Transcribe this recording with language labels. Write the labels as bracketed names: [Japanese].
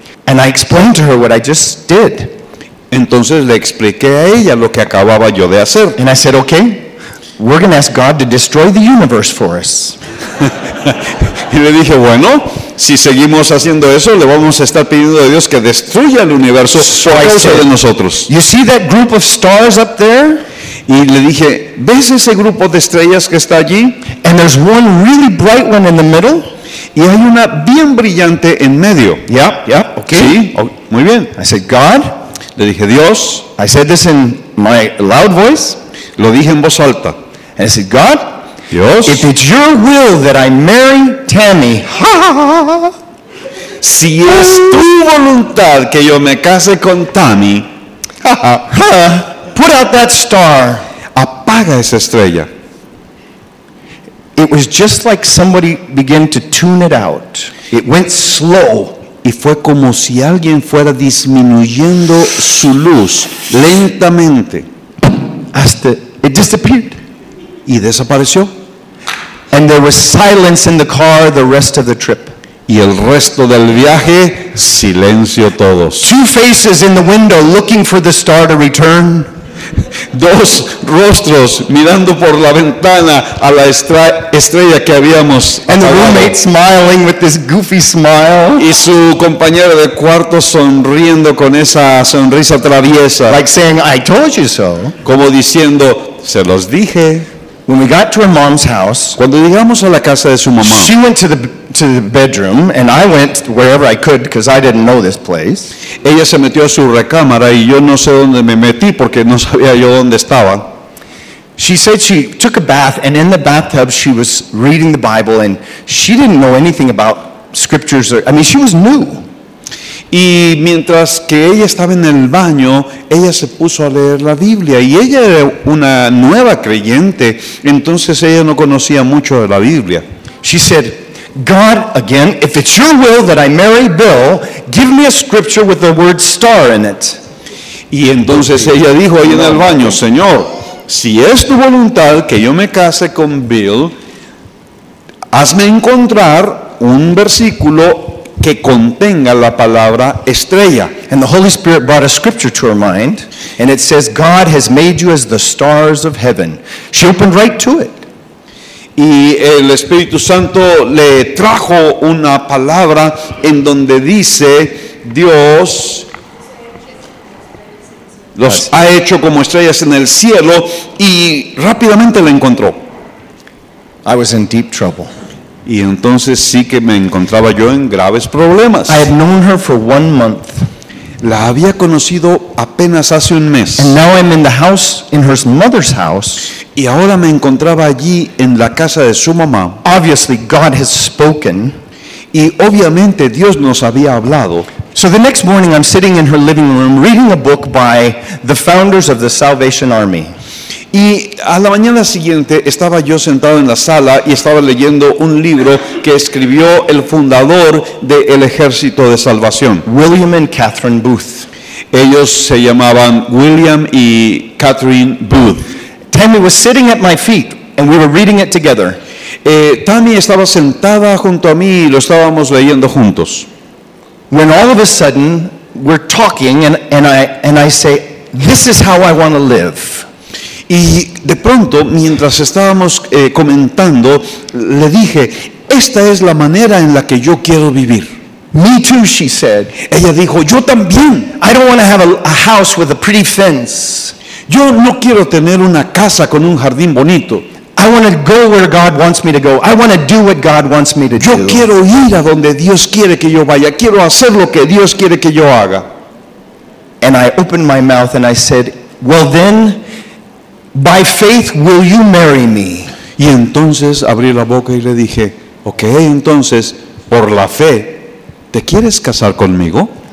[English] And I explained to her what I just did. [Spanish] Entonces le expliqué a ella lo que acababa yo de hacer. [English] And I said, "Okay. We're going to ask God to destroy the universe for us." [Spanish] Y le dije, "Bueno, si seguimos haciendo eso, le vamos a estar pidiendo a Dios que destruya el universo por causa de nosotros." [English] "You see that group of stars up there?" [Spanish] Y le dije, ¿ves ese grupo de estrellas que está allí? [English] And there's one really bright one in the middle. [Spanish] Y hay una bien brillante en medio. [English] Yeah, okay. [Spanish] Sí, muy bien. [English] I said, God. [Spanish] Le dije, Dios. [English] I said this in my loud voice. [Spanish] Lo dije en voz alta. [English] And I said, God. [Spanish] Dios. [English] If it's your will that I marry Tammy. Ha, ha, ha, ha. [Spanish] Si es tu voluntad que yo me case con Tammy. [English] Put out that star. [Spanish] Apaga esa estrella. [English] It was just like somebody began to tune it out. It went slow. [Spanish] Y fue como si alguien fuera disminuyendo su luz lentamente. [English] Hasta it disappeared. [Spanish] Y desapareció. [English] And there was silence in the car the rest of the trip. [Spanish] Y el resto del viaje, silencio todos. [English] Two faces in the window looking for the star to return. [Spanish] Dos rostros mirando por la ventana a la estrella que habíamos apagado. [English] And the roommate smiling with this goofy smile. [Spanish] Y su compañero de cuarto sonriendo con esa sonrisa traviesa. [English] Like saying, I told you so. [Spanish] Como diciendo, se los dije. [English] When we got to her mom's house, [Spanish] cuando llegamos a la casa de su mamá, [English] she went to the bedroom, and I went wherever I could because I didn't know this place. [Spanish] Ella se metió a su recámara y yo no sé dónde me metí porque no sabía yo dónde estaba. [English] She said she took a bath, and in the bathtub she was reading the Bible, and she didn't know anything about scriptures. She was new. [Spanish] Y mientras que ella estaba en el baño, ella se puso a leer la Biblia. Y ella era una nueva creyente, entonces ella no conocía mucho de la Biblia. [English] She said, God, again, if it's your will that I marry Bill, give me a scripture with the word star in it. [Spanish] Y entonces ella dijo ahí en el baño, Señor, si es tu voluntad que yo me case con Bill, hazme encontrar un versículo que contenga la palabra estrella. [English] And the Holy Spirit brought a scripture to her mind, and it says, God has made you as the stars of heaven. She opened right to it. [Spanish] Y el Espíritu Santo le trajo una palabra en donde dice, Dios los ha hecho como estrellas en el cielo, y rápidamente la encontró. [English] I was in deep trouble. [Spanish] Y entonces sí que me encontraba yo en graves problemas. [English] I had known her for 1 month. [Spanish] La había conocido apenas hace un mes. [English] And now I'm in the house, in her mother's house. [Spanish] Y ahora me encontraba allí en la casa de su mamá. [English] Obviously God has spoken. [Spanish] Y obviamente Dios nos había hablado. [English] So the next morning I'm sitting in her living room reading a book by the founders of the Salvation Army. [Spanish] Y a la mañana siguiente estaba yo sentado en la sala y estaba leyendo un libro que escribió el fundador del Ejército de Salvación. [English] William and Catherine Booth. [Spanish] Ellos se llamaban William y Catherine Booth. [English] Tammy was sitting at my feet and we were reading it together. [Spanish] Tammy estaba sentada junto a mí y lo estábamos leyendo juntos. [English] When all of a sudden we're talking and I say, this is how I want to live. [Spanish] Y de pronto, mientras estábamos comentando, le dije, esta es la manera en la que yo quiero vivir. [English] Me too, she said. [Spanish] Ella dijo, yo también. [English] I don't want to have a house with a pretty fence. [Spanish] Yo no quiero tener una casa con un jardín bonito. [English] I want to go where God wants me to go. I want to do what God wants me to do. [Spanish] Yo quiero ir a donde Dios quiere que yo vaya. Quiero hacer lo que Dios quiere que yo haga. [English] And I opened my mouth and I said, well then, by faith, will you marry me? [Spanish] Y entonces abrí la boca y le dije, okay, entonces, por la fe, ¿te quieres casar conmigo?